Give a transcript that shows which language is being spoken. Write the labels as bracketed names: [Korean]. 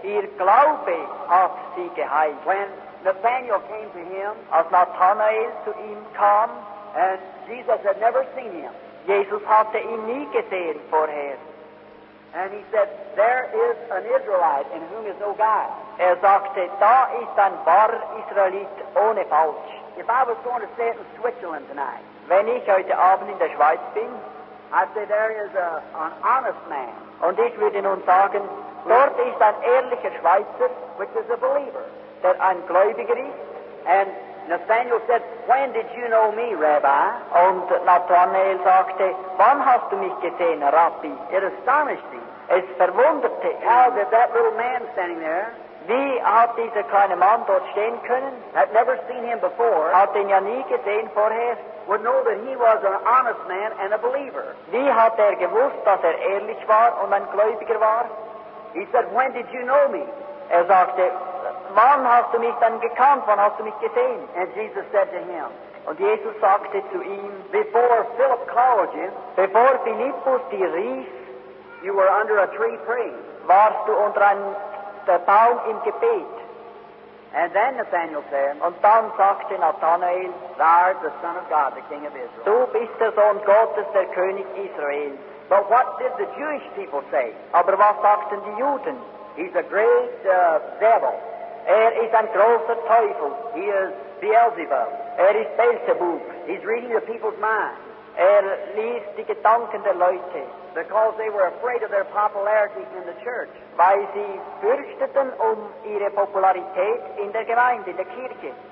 [German] Ihr Glaube hat sie geheilt. [English] When Nathanael came to him, [German] als Nathanael zu ihm kam, [English] and Jesus had never seen him. [German] Jesus hatte ihn nie gesehen vorher. [English] And he said, there is an Israelite in whom is no guile. [German] Sagte, da ist ein wahrer Israelit ohne Falsch. [English] If I was going to stay in Switzerland tonight, [German] wenn ich heute Abend in der Schweiz bin, [English] I'd say there is an honest man. [German] Und ich würde nun sagen, dort ist ein ehrlicher Schweizer, [English] which is a believer, [German] der ein Gläubiger ist. [English] And Nathanael said, when did you know me, Rabbi? [German] Und Nathanael sagte, wann hast du mich gesehen, Rabbi? [English] It astonished me. [German] Es verwunderte ihn. [English] How did that little man standing there, [German] wie hat dieser kleine Mann dort stehen können? [English] Had never seen him before. [German] Hat ihn ja nie gesehen vorher. [English] Would know that he was an honest man and a believer. [German] Wie hat gewusst, dass ehrlich war und ein Gläubiger war? [English] He said, when did you know me? [German] Sagte, wann hast du mich dann gekannt? Wann hast du mich gesehen? [English] And Jesus said to him, [German] und Jesus sagte zu ihm, [English] before Philip called you, [German] bevor Philippus dir rief, [English] you were under a tree praying. [German] Warst du unter einem der Baum im Gebet. [English] And then Nathanael said, [German] und dann sagte Nathanael, [English] thou art the Son of God, the King of Israel. [German] Du bist der Sohn Gottes, der König Israel. [English] But what did the Jewish people say? [German] Aber was sagten die Juden? [English] He's a great devil. [German] Ist ein großer Teufel. [English] He is Beelzebub. [German] Ist Beelzebub. [English] He's reading the people's mind. [German] Liest die Gedanken der Leute. [English] Because they were afraid of their popularity in the church. [German] Weil sie fürchteten ihre Popularität in der Gemeinde, in der Kirche.